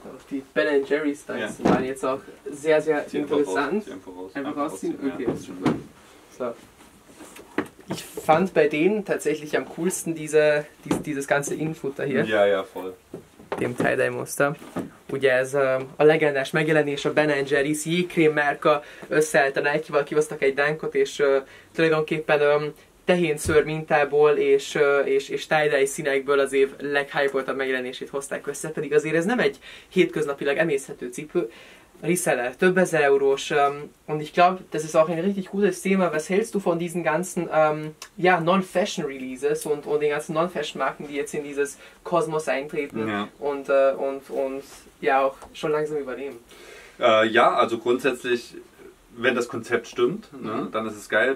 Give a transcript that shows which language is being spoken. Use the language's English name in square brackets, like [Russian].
[German] Die Ben & Jerry's Styles waren jetzt auch sehr, sehr die interessant. Einfach rausziehen. Okay, ja. So. Ich fand bei denen tatsächlich am coolsten dieses ganze Innenfutter hier. Ja, ja, voll. Dem Tie-Dye-Muster. [Hungarian] Ugye ez a legendás megjelenés, a Ben & Jerry's jégkrém márka összeállt a Nike-val, kihoztak egy dunkot, és tulajdonképpen tehén ször mintából és tie-dye színekből az év leghypoltabb megjelenését hozták össze, pedig azért ez nem egy hétköznapilag emészhető cipő. Reseller, több ezer eurós, [German] und ich glaube, das ist auch ein richtig gutes Thema. Was hältst du von diesen ganzen Non-Fashion-Releases und den ganzen Non-Fashion-Marken, die jetzt in dieses Kosmos eintreten und auch schon langsam übernehmen? Ja, also grundsätzlich, wenn das Konzept stimmt, ne, dann ist es geil.